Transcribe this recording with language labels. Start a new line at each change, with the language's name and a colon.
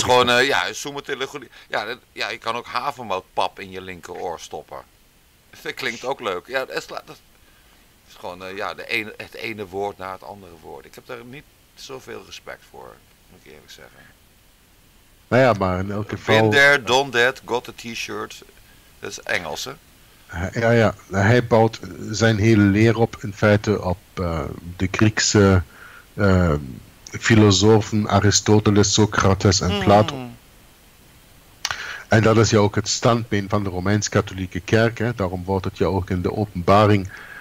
Dutch: Dus het is gewoon, je kan ook havermoutpap in je linkeroor stoppen. Dat klinkt ook leuk. Ja, het is gewoon, het ene woord na het andere woord. Ik heb daar niet zoveel respect voor, moet ik eerlijk zeggen. Nou ja, maar in elk geval...
English: Been there, done that, got a t-shirt.
Dutch: Dat is Engels, hè? Ja, hij bouwt zijn hele leer op, in feite, op de Griekse... filosofen Aristoteles, Socrates en Plato. En dat is ja ook het standbeen van de Romeins-Katholieke Kerk. Hè? Daarom wordt het ja ook in de openbaring